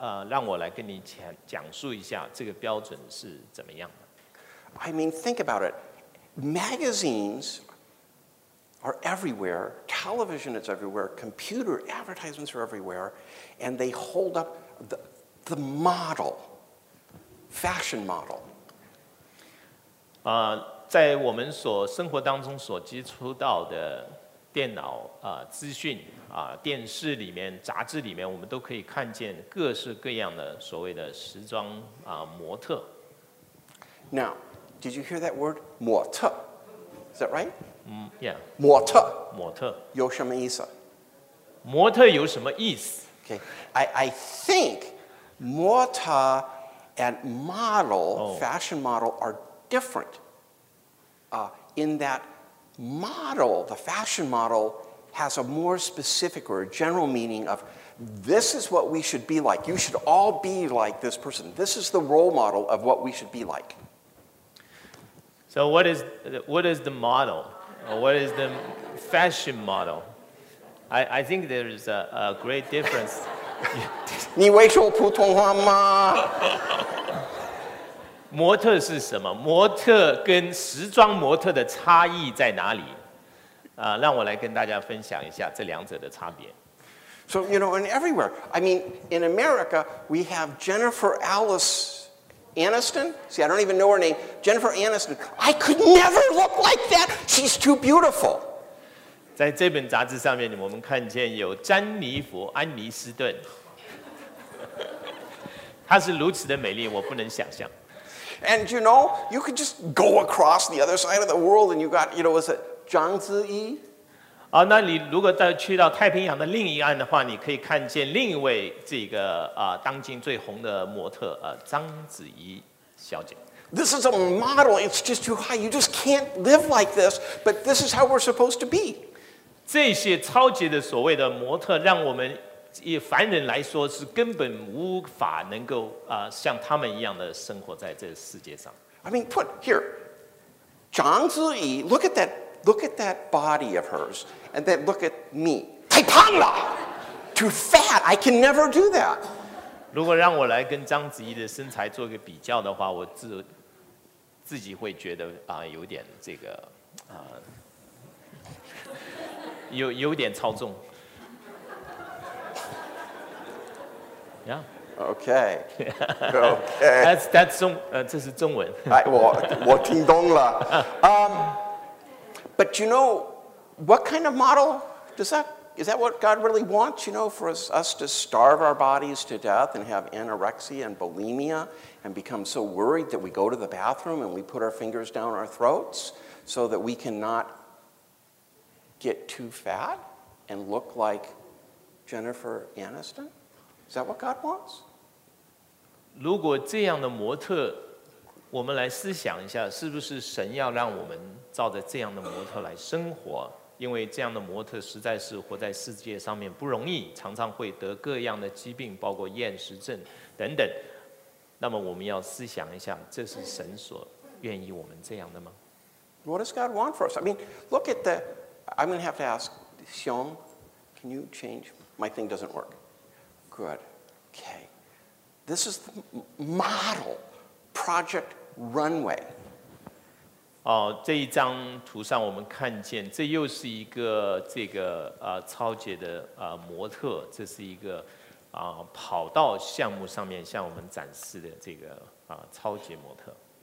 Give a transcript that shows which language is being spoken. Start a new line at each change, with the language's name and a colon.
Chinese: 让我来跟你讲述一下这个标准是怎么样的。
English: I mean, think about it. Magazines are everywhere. Television is everywhere. Computer advertisements are everywhere. And they hold up the model. fashion model.
Chinese: 在我们所生活当中所接触到的电脑资讯电视里面、杂志里面，我们都可以看见各式各样的所谓的时装模特。
English: Now, did you hear that word? 模特。Is that right? Yeah.
Chinese: 模特。模特。有什么意思？模特有什么意思？
English: Okay, I think 模特 and model,、oh. fashion model are different in that model, the fashion model has a more specific or a general meaning of this is what we should be like. You should all be like this person. This is the role model of what we should be like. So what is the model? Or what is the fashion model? I think there is a great difference.
Chinese: 你会说普通话吗？模特是什么？模特跟时装模特的差异在哪里？让我来跟大家分享一下这两者的差别。
English: So, you know, and everywhere. I mean, in America, we have Jennifer Alice Aniston. See, I don't even know her name. Jennifer Aniston. I could never look like that. She's too beautiful.
Chinese: 在这本杂志上面，我们看见有詹妮弗·安妮斯顿。她是如此的美丽，我不能想象。
English: And you know, you could just go across the other side of the world and you got, you know, was it Zhang Ziyi?
Chinese: 那你如果再去到太平洋的另一岸的话，你可以看见另一位这个当今最红的模特张子怡小姐。
English: This is a model, it's just too high, you just can't live like this, but this is how we're supposed to be.
Chinese: 这些超级的所谓的模特让我们以凡人来说是根本无法能够像他们一样的生活在这世界上。
English: I mean, put here, Zhang Ziyi, look at that body of hers, and then look at me.
Chinese: 太胖了
English: ，too fat. I can never do that.
Chinese: 如果让我来跟张子怡的身材做个比较的话，我自己会觉得有点这个有点超重。
English: Yeah. Okay. Okay. That's
Chinese: 这是中文。我听懂了。
English: But you know, what kind of model does that? Is that what God really wants? You know, for us to starve our bodies to death and have anorexia and bulimia and become so worried that we go to the bathroom and we put our fingers down our throats so that we cannot get too fat and look like Jennifer Aniston? Is that what God wants?
Chinese: 如果这样的模特，我们来思想一下，是不是神要让我们照着这样的模特来生活？因为这样的模特实在是活在世界上面不容易，常常会得各样的疾病，包括厌食症等等。那么我们要思想一下，这是神所愿意我们这样的吗？
English: What does God want for us? I mean, look at the. I'm going to have to ask Xiong. Can you change? My thing doesn't work. Good. Okay. This is the model project runway.
Chinese: 这一张图上我们看见，这又是一个这个超级的模特，这是一个跑道项目上面向我们展示的这个超级模特。